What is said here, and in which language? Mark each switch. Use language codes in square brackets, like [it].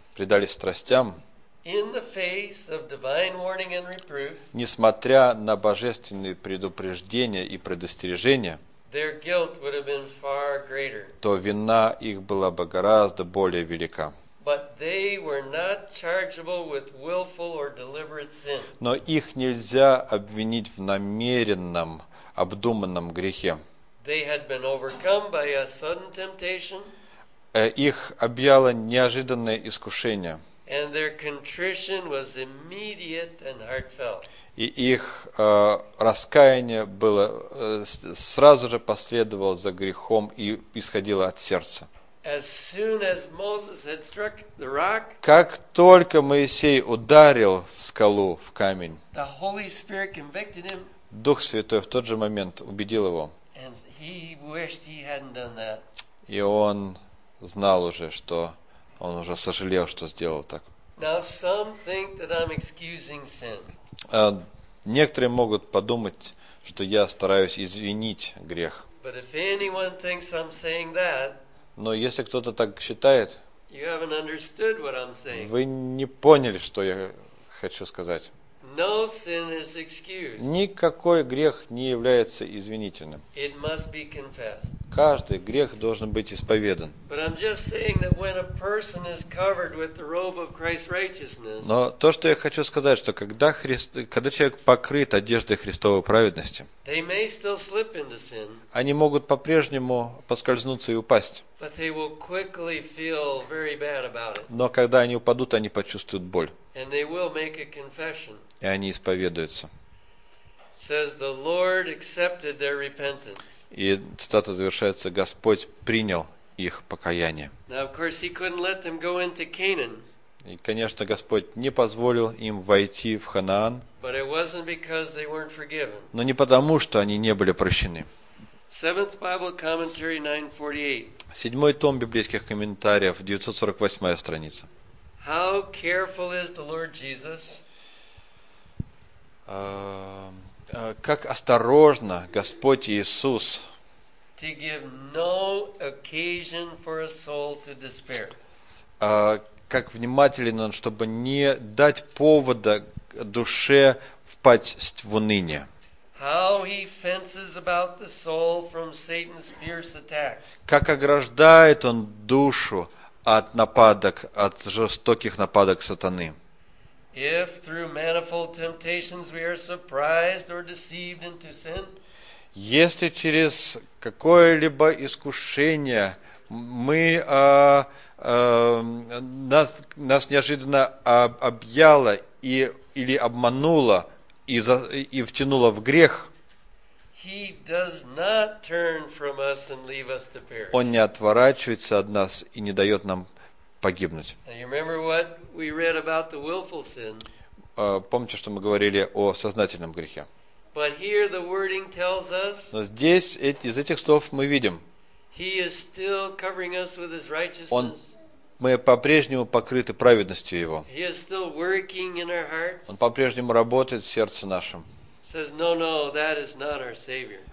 [en] in the face of divine warning and reproof, [ru] несмотря на божественные предупреждения и предостережения, [en] their guilt would have been far greater, [ru] то вина их была бы гораздо более велика. [en] But they were not chargeable with willful or deliberate sin. [ru] Но их нельзя обвинить в намеренном, обдуманном грехе. [en] They had been overcome by a sudden temptation, [ru] их объяло неожиданное искушение. [en] And their contrition was immediate and heartfelt. [ru] И их раскаяние было сразу же последовало за грехом и исходило от сердца. [en] As soon as Moses had struck the rock, [ru] как только Моисей ударил в скалу, в камень, [en] the Holy Spirit convicted him, [ru] Дух Святой в тот же момент убедил его. [en] And he wished he hadn't done that. [ru] И он знал уже, что он уже сожалел, что сделал так. [en] Now some think that I'm excusing sin. [ru] Некоторые могут подумать, что я стараюсь извинить грех. [en] But if anyone thinks I'm saying that, [ru] но если кто-то так считает, [en] you haven't understood what I'm saying. [ru] Вы не поняли, что я хочу сказать. [en] No sin is excused. [ru] Никакой грех не является извинительным. [en] It must be confessed. [ru] Каждый грех должен быть исповедан. [en] But I'm just saying that when a person is covered with the robe of Christ's righteousness, [ru] но то, что я хочу сказать, что когда когда человек покрыт одеждой Христовой праведности, [en] they may still slip into sin, [ru] они могут по-прежнему поскользнуться и упасть. [en] But they will quickly feel very bad about it. [ru] Но когда они упадут, они почувствуют боль. [en] And they will make a confession. [ru] И они исповедуются. [en] Says the Lord accepted their repentance. [ru] И цитата завершается: Господь принял их покаяние. [en] Now, of course, he couldn't let them go into Canaan. [ru] И, конечно, Господь не позволил им войти в Ханаан. [en] But it wasn't because they weren't forgiven. [ru] Но не потому, что они не были прощены. [en] Seventh Bible Commentary 948. [ru] Седьмой том библейских комментариев, 948 страница. [en] How careful is the Lord Jesus? [ru] Как осторожно Господь Иисус, [en] to give no occasion for a soul to despair. [ru] Как внимателен он, чтобы не дать повода душе впасть в уныние. [en] How he fences about the soul from Satan's fierce attacks. [ru] Как ограждает он душу от нападок, от жестоких нападок сатаны. [en] If through manifold temptations we are surprised or deceived into sin, [ru] если через какое-либо искушение мы нас неожиданно объяло или обмануло и втянуло в грех, [en] he does not turn from us and leave us to perish. [ru] Он не отворачивается от нас и не дает нам погибнуть. [en] Now you remember what we read about the willful sin? [ru] Помните, что мы говорили о сознательном грехе? [en] But here the wording tells us, [ru] но здесь из этих слов мы видим, [en] he is still covering us with his righteousness. [ru] Он, мы по-прежнему покрыты праведностью Его. [en] He is still working in our hearts. [ru] Он по-прежнему работает в сердце нашем. [en] Says, no, no, that is not our Savior.